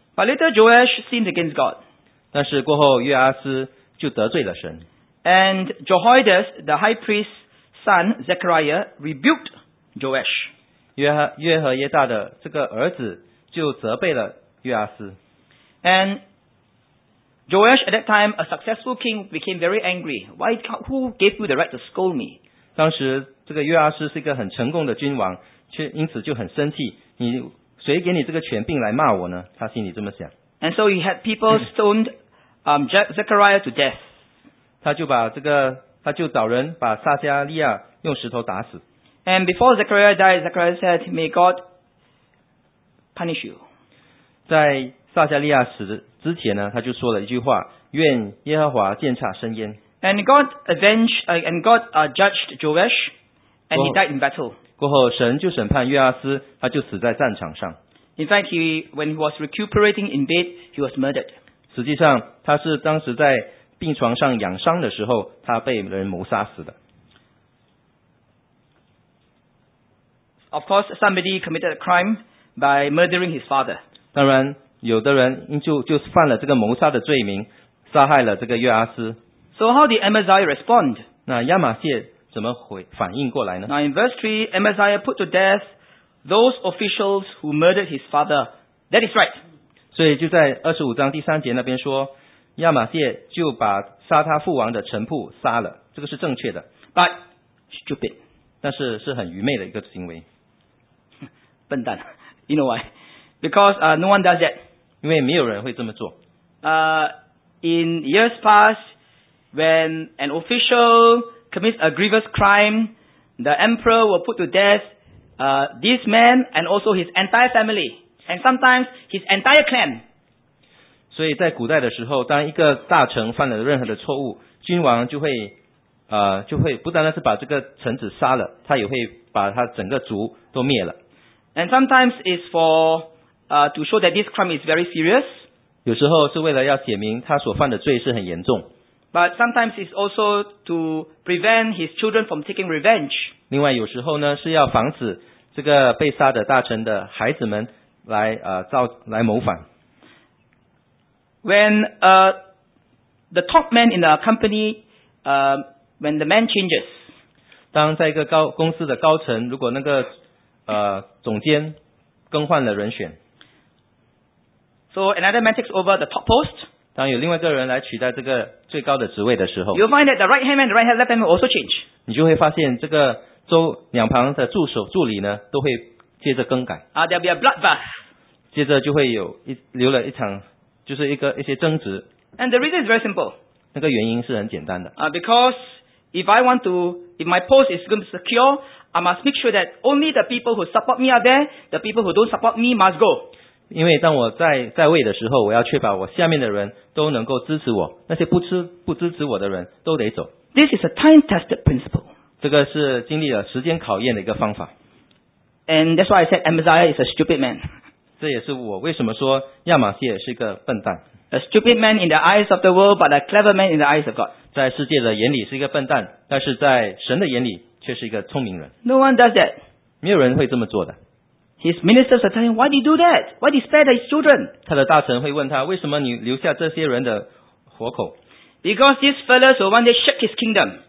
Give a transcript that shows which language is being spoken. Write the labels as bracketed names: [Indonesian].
[English] But later Joash sinned against God. [Chinese] 但是过后约阿斯就得罪了神。 [English] And Jehoiada, the high priest's son Zechariah, rebuked Joash. [Chinese] 约和耶大的这个儿子就责备了约阿斯。 [English] And Joash, at that time, a successful king, became very angry. Why? Who gave you the right to scold me? [Chinese] 当时这个约阿斯是一个很成功的君王，却因此就很生气。你谁给你这个权柄来骂我呢？他心里这么想。 [English] And so he had people stoned Zechariah to death. [Chinese] 他就找人把撒迦利亚用石头打死。 [English] And before Zechariah died, Zechariah said, "May God punish you." [Chinese] 在撒迦利亚死之前呢，他就说了一句话，愿耶和华鉴察深渊。 [English] And God avenged, and God judged Joash, and he died in battle. [Chinese] 过后神就审判约阿斯，他就死在战场上。 [English] In fact, when he was recuperating in bed, he was murdered. [Chinese] 实际上他是当时在病床上养伤的时候，他被人谋杀死的。 [English] Of course, somebody committed a crime by murdering his father. [Chinese] 当然有的人就犯了这个谋杀的罪名，杀害了这个约阿斯。 [English] So how did Amaziah respond? [Chinese] 那亚玛谢怎么反应过来呢？ [English] Now in verse 3, Amaziah put to death those officials who murdered his father. That is right. [Chinese] 所以就在25章第三节那边说，亚玛谢就把杀他父王的臣仆杀了，这个是正确的。 [English] But stupid. [Chinese] 但是是很愚昧的一个行为。笨蛋。 [English] You know why? Because no one does that. [Chinese] 因为没有人会这么做。 [English] In years past, when an official commits a grievous crime, the emperor will put to death this man and also his entire family, and sometimes his entire clan. [Chinese] 所以在古代的时候，当一个大臣犯了任何的错误，君王就会不单单是把这个臣子杀了，他也会把他整个族都灭了。 [English] And sometimes it's for to show that this crime is very serious. [Chinese] 有时候是为了要显明他所犯的罪是很严重。 [English] But sometimes it's also to prevent his children from taking revenge. [Chinese] 另外有时候呢，是要防止这个被杀的大臣的孩子们来谋反。 [English] When the top man in the company, when the man changes. [Chinese] 当在一个公司的高层，如果那个总监更换了人选。 [English] So another man takes over the top post. [Chinese] 当有另外一个人来取代这个最高的职位的时候， [English] you'll find that the right hand man and the right hand left hand man also change. [Chinese] 你就会发现这个周两旁的助手助理呢，都会接着更改。 [English] There'll be a bloodbath. [Chinese] 接着就会有流了一场，就是一些争执。 [English] And the reason is very simple. [Chinese] 那个原因是很简单的。 [English] Because if my post is going to be secure, I must make sure that only the people who support me are there. The people who don't support me must go. [Chinese] 因为当我 在位的时候，我要确保我下面的人都能够支持我，那些 不支持我的人都得走。 [English] This is a time tested principle. [Chinese] 这个是经历了时间考验的一个方法。 [English] And that's why I said Amaziah is a stupid man. [Chinese] 这也是我为什么说亚玛谢是一个笨蛋。 [English] A stupid man in the eyes of the world, but a clever man in the eyes of God. [Chinese] 在世界的眼里是一个笨蛋，但是在神的眼里却是一个聪明人。 [English] No one does that. [Chinese] 没有人会这么做的。 [English] His ministers are telling him, why do you do that? Why do you spare his children? [Chinese] 他的大臣会问他，为什么你留下这些人的活口？ [English] Because these fellows will one day shake his kingdom.